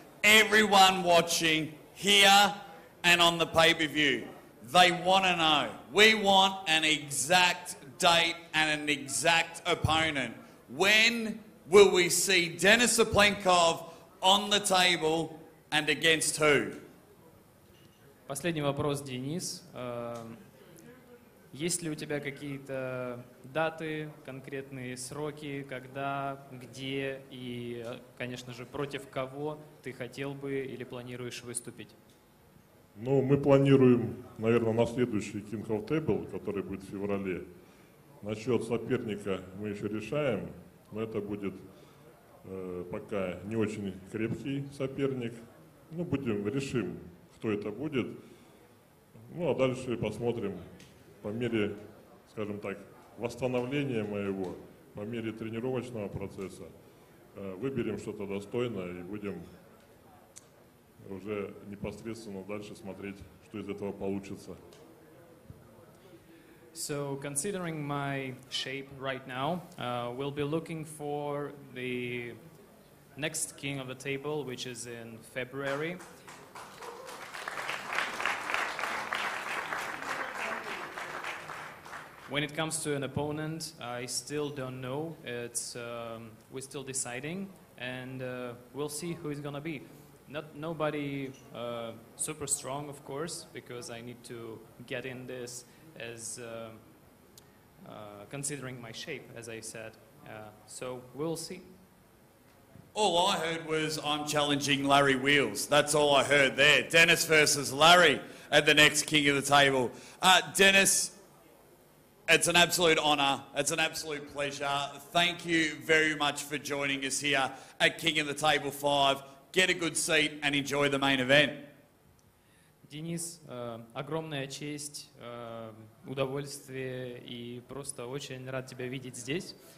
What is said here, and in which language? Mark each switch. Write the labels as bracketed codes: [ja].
[en] Everyone watching here and on the pay-per-view, they want to know. We want an exact date and an exact opponent. When will we see Denis Cyplenkov on the table and against who? [ru] Последний вопрос, Денис. Есть ли у тебя какие-то даты, конкретные сроки, когда, где и, конечно же, против кого ты хотел бы или планируешь выступить? Ну, мы планируем, наверное, на следующий King of Table, который будет в феврале. Насчет соперника мы еще решаем. Но это будет пока не очень крепкий соперник. Ну, будем, решим, кто это будет. Ну, а дальше посмотрим по мере, скажем так, восстановление моего по мере тренировочного процесса. Выберем что-то достойное и будем уже непосредственно дальше смотреть, что из этого получится. [en] So, considering my shape right now, we'll be looking for the next king of the table, which is in February. When it comes to an opponent, I still don't know. We're still deciding, and we'll see who it's gonna be. Nobody super strong, of course, because I need to get in this as considering my shape, as I said. So we'll see. All I heard was I'm challenging Larry Wheels. That's all I heard there. Denis versus Larry at the next king of the table. Denis, it's an absolute honor. It's an absolute pleasure. Thank you very much for joining us here at King of the Table 5. Get a good seat and enjoy the main event. [ru] Денис, огромная честь, удовольствие и просто очень рад тебя видеть здесь.